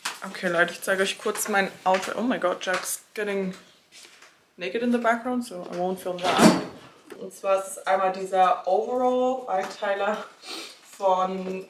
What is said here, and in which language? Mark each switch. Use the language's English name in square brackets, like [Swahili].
[German] Okay, Leute, ich zeige euch kurz mein Outfit. [English] Oh my god, Jack's getting naked in the background, so I won't film that. [German] Und zwar ist es einmal dieser Overall-Einteiler von...